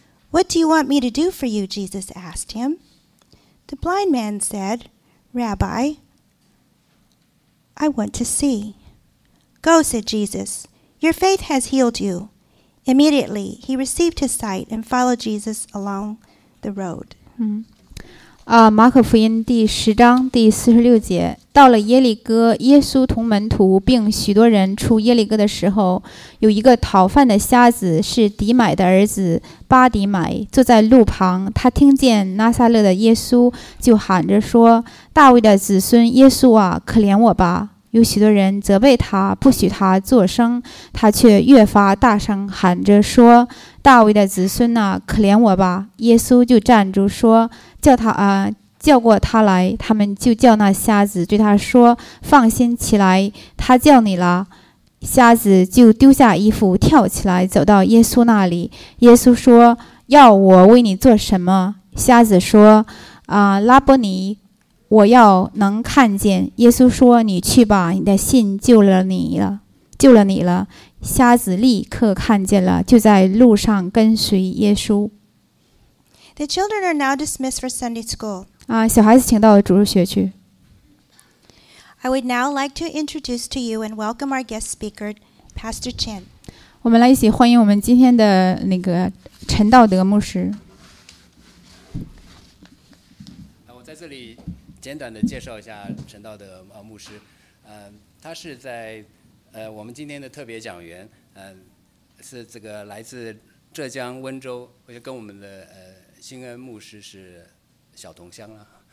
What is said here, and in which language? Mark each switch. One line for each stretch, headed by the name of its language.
English: What do you want me to do for you? Jesus asked him. The blind man said, Rabbi, I want to see. Go, said Jesus. Your faith has healed you. Immediately, he received his sight and followed Jesus along the road.
Chinese: 马可福音第十章第四十六节，到了耶利哥，耶稣同门徒并许多人出耶利哥的时候，有一个讨饭的瞎子，是迪买的儿子巴迪买，坐在路旁。他听见拿撒勒的耶稣，就喊着说：“大卫的子孙耶稣啊，可怜我吧！” 有许多人责备他，不许他作声，他却越发大声喊着说：“大卫的子孙啊，可怜我吧！” 耶稣就站住说：“叫过他来。” 他们就叫那瞎子对他说：“放心起来，他叫你了。” 瞎子就丢下衣服，跳起来走到耶稣那里。耶稣说：“要我为你做什么？” 瞎子说：“拉波尼，我要能看见。” 耶稣说：“你去吧，你的信救了你了。” 瞎子立刻看见了，就在路上跟随耶稣。
English: The children are now dismissed for Sunday school.
Chinese: 小孩子请到主日学去。
English: I would now like to introduce to you and welcome our guest speaker, Pastor Chen.
Chinese: 我们来一起欢迎我们今天的那个陈道德牧师。那我在这里简短的介绍一下陈道德牧师，他是在我们今天的特别讲员，是这个来自浙江温州，我就跟我们的新恩牧师是小同乡了。